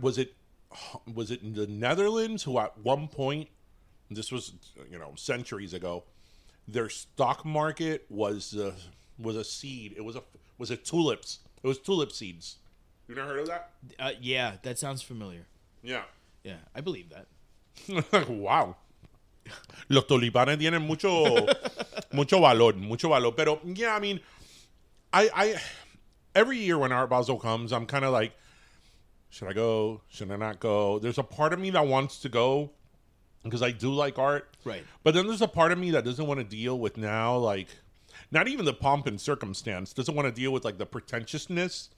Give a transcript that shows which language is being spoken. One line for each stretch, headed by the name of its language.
English: Was it in the Netherlands who at one point, this was, you know, centuries ago, their stock market was a seed. It was tulips. It was tulip seeds. You never heard of that? Yeah, that sounds familiar. Yeah. Yeah, I believe that. Wow.
Spanish: Los tulipanes tienen mucho valor.
English: Pero, yeah, I mean, I every year when Art Basel comes, I'm kind of like, should I go? Should I not go? There's a part of me that wants to go because I do like art. Right. But then there's a part of me that doesn't want to deal with now, like, not even the pomp and circumstance, doesn't want to deal with, like, the pretentiousness.